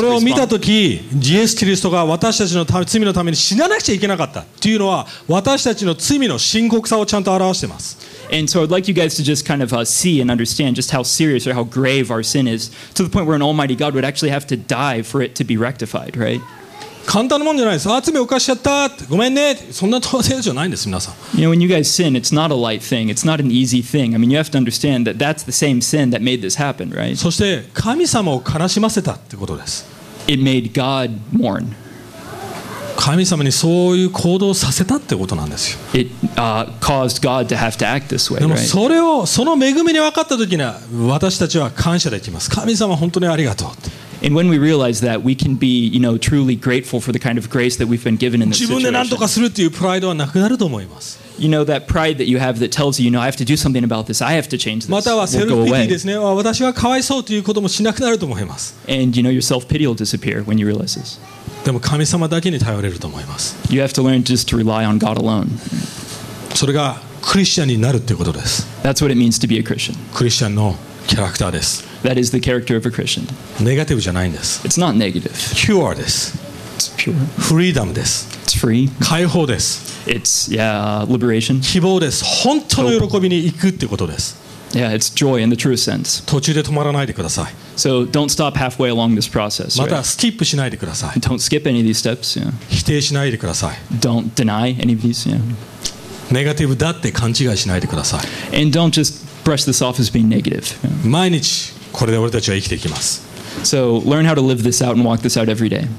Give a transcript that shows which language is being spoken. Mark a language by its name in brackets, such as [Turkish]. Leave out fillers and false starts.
[Japanese] それを見たとき、イエス・キリストが私たちの罪のために死ななくちゃいけなかったというのは、私たちの罪の深刻さをちゃんと表しています。 [English] And so I'd like you guys to just kind of see and understand just how serious or how grave our sin is to the point where an Almighty God would actually have to die for it to be rectified, right? [Japanese] 簡単なもんじゃないです。あ、罪を犯しちゃったって。ごめんね。そんな当然じゃないんです、皆さん。 [English] You know, when you guys sin, it's not a light thing. It's not an easy thing. I mean, you have to understand that that's the same sin that made this happen, right? [Japanese] そして、神様を悲しませたってことです。 [English] It made God mourn. [Japanese] 神様にそういう行動をさせたってことなんですよ。 [English] It caused God to have to act this way, right? [Japanese] でもそれを、その恵みに分かったときには、私たちは感謝できます。神様、本当にありがとうって。 [English] And when we realize that, we can be, you know, truly grateful for the kind of grace that we've been given in this situation. [Japanese] 自分で何とかするっていうプライドはなくなると思います。 [English] You know, that pride that you have that tells you, you know, I have to do something about this. I have to change this. [Japanese] またはセルフピティですね。私はかわいそうということもしなくなると思います。 [English] And, you know, your self-pity will disappear when you realize this. [Japanese] でも神様だけに頼れると思います。 [English] You have to learn just to rely on God alone. [Japanese] それがクリスチャンになるということです。 [English] That's what it means to be a Christian. [Japanese] クリスチャンのキャラクターです。 [English] That is the character of a Christian. [Japanese] Negative じゃないんです。 [English] It's not negative. [Japanese] Pure です。 [English] It's pure. [Japanese] Freedom です。 [English] It's free. [Japanese] 解放です。 [English] It's yeah, liberation. [Japanese] 希望です。本当の喜びに行くってことです。 [English] Yeah, it's joy in the truest sense. [Japanese] 途中で止まらないでください。 [English] So don't stop halfway along this process. [Japanese] またスキップしないでください。 [English] Don't skip any of these steps. Yeah. [Japanese] 否定しないでください。 [English] Don't deny any of these. Yeah. [Japanese] ネガティブだって勘違いしないでください。 [English] And don't just brush this off as being negative. [Japanese] Yeah. 毎日これで俺たちは生きていきます。 [English] So learn how to live this out and walk this out every day.